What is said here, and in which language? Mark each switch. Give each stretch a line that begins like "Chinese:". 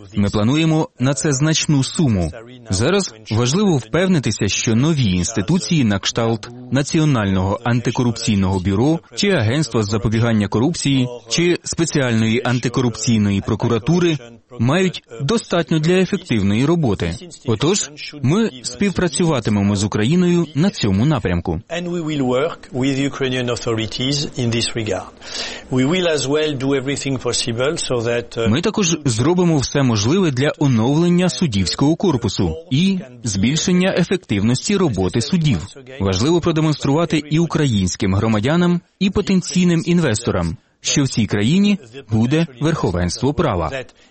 Ukrainian: Ми плануємо на це значну суму. Зараз важливо впевнитися, що нові інституції на кшталт Національного антикорупційного бюро чи Агентства з запобігання корупції чи Спеціальної антикорупційної прокуратури мають достатньо для ефективної роботи. Отож, ми співпрацюватимемо з Україною на цьому напрямку.
English: And we will work with Ukrainian authorities in this regard. We will as well do everything possible so that
Ukrainian: ми також зробимо все можливе для оновлення суддівського корпусу і збільшення ефективності роботи суддів. Важливо продемонструвати і українським громадянам, і потенційним інвесторам, що в цій країні буде верховенство права.